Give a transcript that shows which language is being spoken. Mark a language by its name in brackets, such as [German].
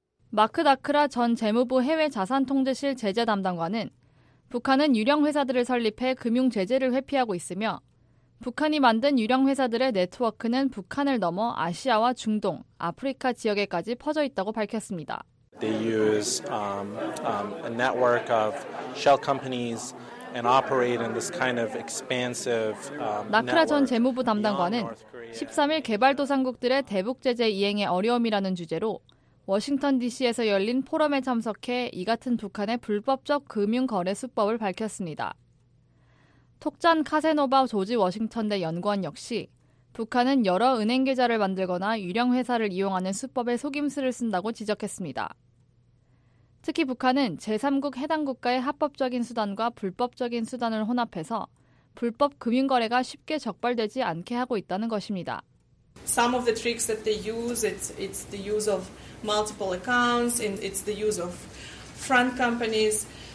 [Korean] 마크 다크라 전 재무부 해외자산통제실 제재 담당관은 북한은 유령 회사들을 설립해 금융 제재를 회피하고 있으며 북한이 만든 유령 회사들의 네트워크는 북한을 넘어 아시아와 중동, 아프리카 지역에까지 퍼져 있다고 밝혔습니다. [English] They use a network of shell companies and operate in this kind of expansive. [Korean] 나크라 전 재무부 담당관은 13일 개발도상국들의 대북 제재 이행의 어려움이라는 주제로 워싱턴 DC에서 열린 포럼에 참석해 이 같은 북한의 불법적 금융 거래 수법을 밝혔습니다. 톡잔 카세노바 조지 워싱턴대 연구원 역시 북한은 여러 은행 계좌를 만들거나 유령 회사를 이용하는 수법에 속임수를 쓴다고 지적했습니다. 특히 북한은 제3국 해당 국가의 합법적인 수단과 불법적인 수단을 혼합해서 불법 금융 거래가 쉽게 적발되지 않게 하고 있다는 것입니다. [English] Some of the tricks that they use it's the use of multiple accounts and it's the use of front companies.